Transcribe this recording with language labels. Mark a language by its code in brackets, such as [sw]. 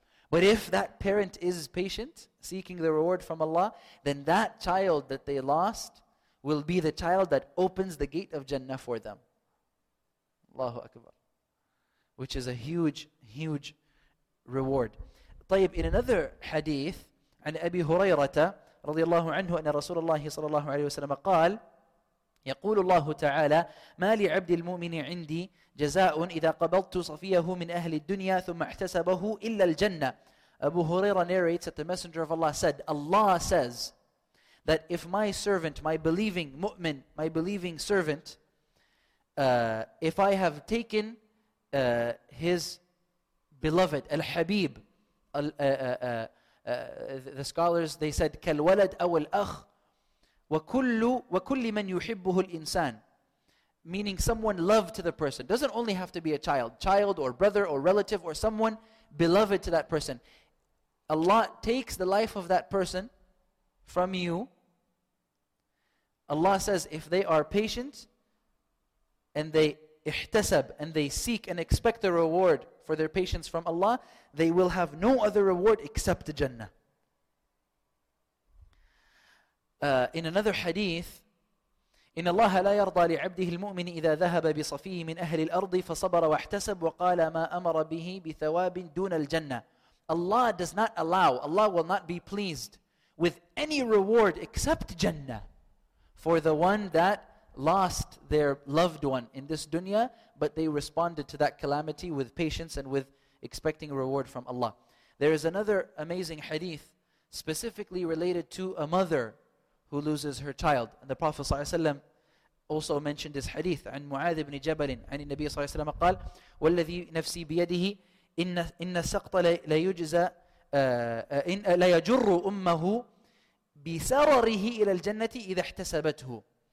[en] But if that parent is patient, seeking the reward from Allah, then that child that they lost will be the child that opens the gate of Jannah for them. Allahu Akbar. Which is a huge, huge reward. [ar] طيب, [en] in another hadith, [ar] عن أبي هريرة رضي الله عنه أن رسول الله صلى الله عليه وسلم قال, يقول الله تعالى ما لعبد المؤمن عندي جزاء إذا قبضت صفيه من أهل الدنيا ثم احتسبه إلا الجنة. [en] Abu Huraira narrates that the Messenger of Allah said, Allah says that if my servant, my believing mu'min, my believing servant, if I have taken his beloved, Al-Habib, the scholars, they said, [ar] كَالْوَلَدْ أَوَ الْأَخْ وَكُلِّ مَنْ يُحِبُّهُ الْإِنسَانِ, [en] meaning someone loved to the person. Doesn't only have to be a child. Child or brother or relative or someone beloved to that person. Allah takes the life of that person from you. Allah says if they are patient and they ihtasab and they seek and expect a reward for their patience from Allah, they will have no other reward except Jannah. In another hadith, [ar] إن الله لا يرضى لعبده المؤمن إذا ذهب بصفيه من أهل الأرض فصبر واحتسب وقال ما أمر به بثواب دون الجنة. [en] Allah does not allow, Allah will not be pleased with any reward except Jannah for the one that lost their loved one in this dunya, but they responded to that calamity with patience and with expecting reward from Allah. There is another amazing hadith specifically related to a mother who loses her child. And the Prophet ﷺ also mentioned this hadith, [ar] عن معاذ بن جبل عن النبي صلى الله عليه وسلم قال, وَالَّذِي نَفْسِي بِيَدِهِ إِنَّ السَّقْطَ لَيُجْزَى لا يجر أمه بسرره إلى الجنة إذا احتسبته.